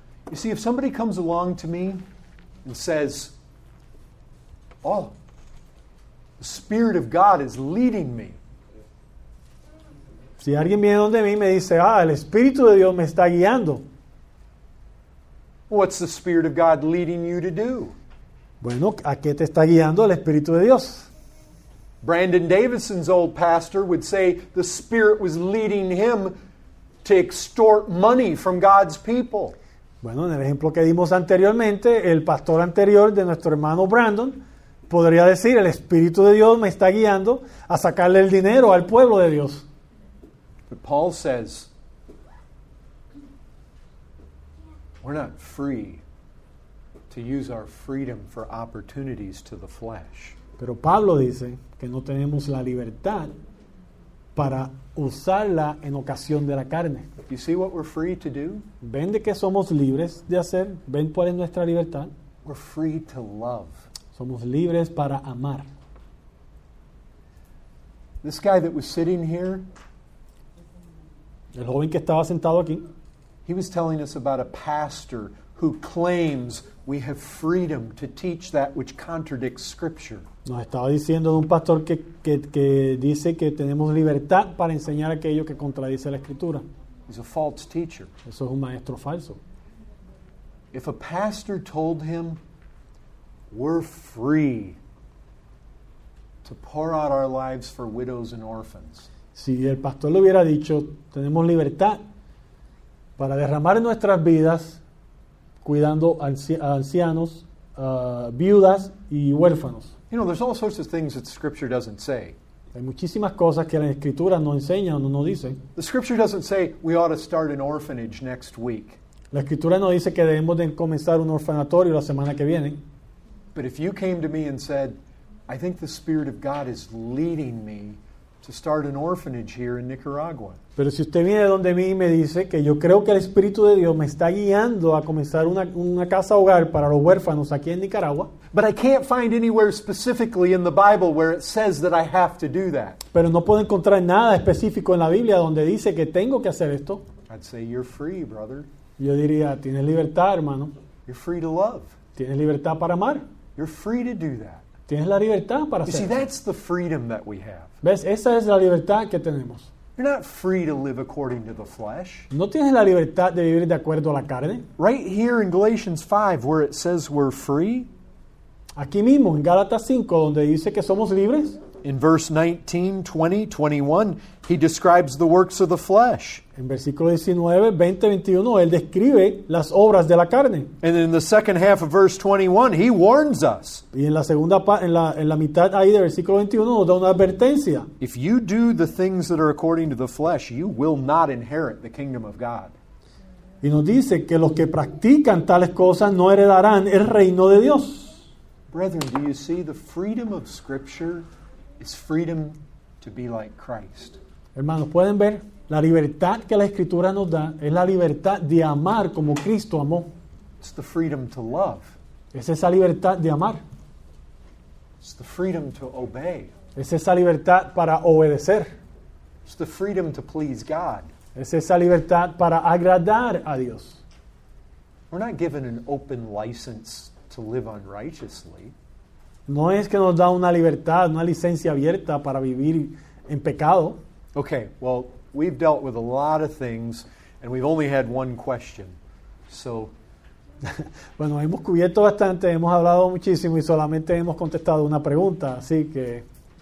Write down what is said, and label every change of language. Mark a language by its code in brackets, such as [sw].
[en] You see, if somebody comes along to me and says, oh, the Spirit of God is leading me. [es] Si alguien viene donde mí y me dice, el Espíritu de Dios me está guiando. [en] What's the Spirit of God leading you to do? [es] Bueno, ¿a qué te está guiando el Espíritu de Dios? [en] Brandon Davison's old pastor would say the Spirit was leading him to extort money from God's people. [es] Bueno, en el ejemplo que dimos anteriormente, el pastor anterior de nuestro hermano Brandon podría decir, el Espíritu de Dios me está guiando a sacarle el dinero al pueblo de Dios. [en] But Paul says, we're not free to use our freedom for opportunities to the flesh. [es] Pero Pablo dice que no tenemos la libertad para usarla en ocasión de la carne. [en] You see what we're free to do? [es] ¿Ven de qué somos libres de hacer? ¿Ven cuál es nuestra libertad? [en] We're free to love. [es] Somos libres para amar. [en] This guy that was sitting here, [es] el joven que estaba sentado aquí, [en] he was telling us about a pastor who claims we have freedom to teach that which contradicts Scripture. [es] Nos estaba diciendo de un pastor que dice que tenemos libertad para enseñar aquello que contradice la Escritura. [en] He's a false teacher. [es] Eso es un maestro falso. [en] If a pastor told him, we're free to pour out our lives for widows and orphans. [es] Si el pastor le hubiera dicho, tenemos libertad para derramar nuestras vidas cuidando a ancianos, viudas y huérfanos. [en] You know, there's all sorts of things that Scripture doesn't say. [es] Hay muchísimas cosas que la Escritura no enseña o no dice. [en] The Scripture doesn't say we ought to start an orphanage next week. [es] La Escritura no dice que debemos de comenzar un orfanatorio la semana que viene. [en] But if you came to me and said, I think the Spirit of God is leading me to start an orphanage here in Nicaragua. [es] Pero si usted viene donde mí y me dice que yo creo que el Espíritu de Dios me está guiando a comenzar una casa hogar para los huérfanos aquí en Nicaragua. [en] But I can't find anywhere specifically in the Bible where it says that I have to do that. [es] Pero no puedo encontrar nada específico en la Biblia donde dice que tengo que hacer esto. [en] I'd say you're free, brother. [es] Yo diría, tienes libertad, hermano. [en] You're free to love. [es] Tienes libertad para amar. [en] You're free to do that. [es] Tienes la libertad para hacerlo. [en] See, that's the freedom that we have. [es] ¿Ves? Esa es la libertad que tenemos. [en] You're not free to live according to the flesh. [es] No tienes la libertad de vivir de acuerdo a la carne. [en] Right here in Galatians 5, where it says we're free. [es] Aquí mismo, en Gálatas 5, donde dice que somos libres. [en] In verse 19, 20, 21, he describes the works of the flesh. [es] En versículo 19, 20, 21, él describe las obras de la carne. [en] And in the second half of verse 21, he warns us. [es] Y en la segunda en la mitad ahí del versículo 21, nos da una advertencia. [en] If you do the things that are according to the flesh, you will not inherit the kingdom of God. [es] Y nos dice que los que practican tales cosas no heredarán el reino de Dios. [en] Brethren, do you see the freedom of Scripture? It's freedom to be like Christ. [es] Hermanos, ¿pueden ver? La libertad que la Escritura nos da es la libertad de amar como Cristo amó. [en] It's the freedom to love. [es] Es esa libertad de amar. [en] It's the freedom to obey. [es] Es esa libertad para obedecer. [en] It's the freedom to please God. [es] Es esa libertad para agradar a Dios. [en] We're not given an open license to live unrighteously. [es] No es que nos da una libertad, una licencia abierta para vivir en pecado. [en] Okay, well, we've dealt with a lot of things, and we've only had one question. So, [es] bueno, hemos cubierto bastante, hemos hablado muchísimo y solamente hemos contestado una pregunta, así que...